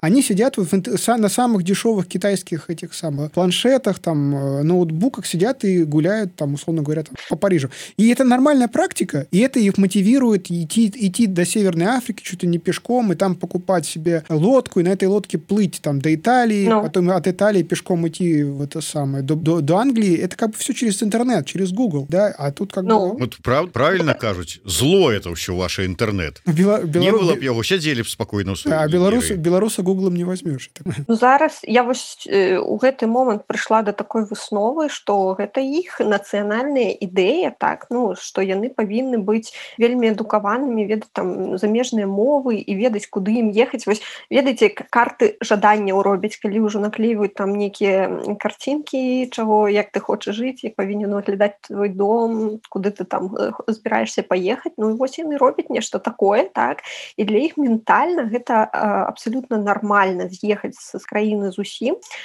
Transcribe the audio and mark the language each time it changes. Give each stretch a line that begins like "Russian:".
Russian: Они сидят вот на самых дешевых китайских этих самых планшетах, там, ноутбуках, сидят и гуляют там, условно говоря, там, по Парижу. И это нормальная практика, и это их мотивирует идти до Северной Африки чуть ли не пешком, и там покупать себе лодку, и на этой лодке плыть там до Италии, но потом от Италии пешком идти в это самое, до Англии. Это как бы все через интернет, через Google, да, а тут как но бы... Вот правильно кажуть, зло это вообще ваше интернет. Не было бы его, сейчас дели бы спокойно. А белоруса Гуглом не возьмешь. Ну,
Belarusian: зараз,
Russian: я вот
Belarusian: у гэты момент
Russian: пришла до такой высновы, что это их национальная идея, так, ну, что
Belarusian: яны повинны
Russian: быть
Belarusian: вельми эдукованными, ведать там замежные мовы
Russian: и ведать, куды им ехать.
Belarusian: Вось, ведайте, карты жадання уробіць, калі ўжо наклеюваюць там некія карцінкі, чаго, як ты хочаш жыць, як павінен выглядаць твой дом, куды ты там збіраешся паехаць. Ну, і вось яны робяць нешта такое, так? І для іх ментальна гэта абсалютна нармальна з'ехаць з краіны зусім.